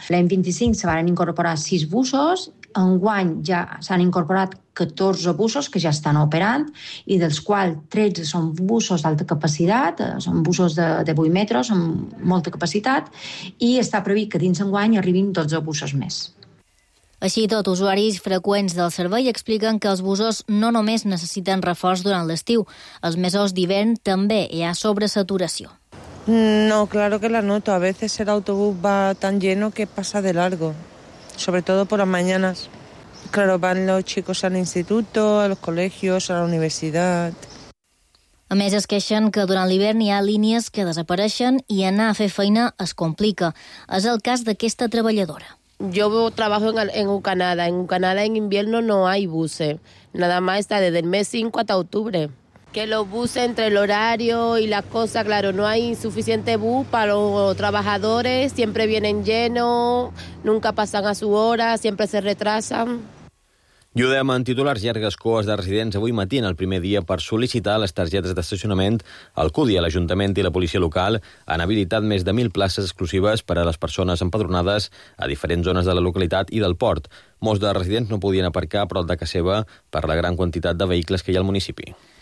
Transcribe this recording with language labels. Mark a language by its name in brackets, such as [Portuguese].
[Catalan] L'any 25 se van incorporar 6 busos, enguany ja s'han incorporat 14 busos que ja estan operant, i dels quals 13 són busos d'alta capacitat, són busos de 8 metres, amb molta capacitat, i està previst que dins enguany arribin 12 busos més. Així tot, usuaris freqüents del servei expliquen que els busos no només necessiten reforç durant l'estiu, els mesos d'hivern també hi ha sobresaturació. [Spanish] No, claro que la noto. A veces el autobús va tan lleno que pasa de largo, sobre todo por las mañanas. Claro, van los chicos al instituto, a los colegios, a la universidad. [Catalan] A més, es queixen que durant l'hivern hi ha línies que desapareixen i anar a fer feina es complica. És el cas d'aquesta treballadora. [Spanish] Yo trabajo en Ucanada. En Ucanada en invierno no hay buses. Nada más está desde el mes 5 hasta octubre. Que los buses entre el horario y las cosas, claro, no hay suficiente bus para los trabajadores. Siempre vienen llenos, nunca pasan a su hora, siempre se retrasan. [Catalan] I ho dèiem en titulars, llargues coes de residents avui matí en el primer dia per sol·licitar les targetes d'estacionament. El CUDI, l'Ajuntament i la Policia Local han habilitat més de 1.000 places exclusives per a les persones empadronades a diferents zones de la localitat i del port. Molts de residents no podien aparcar prop de casa seva per la gran quantitat de vehicles que hi ha al municipi.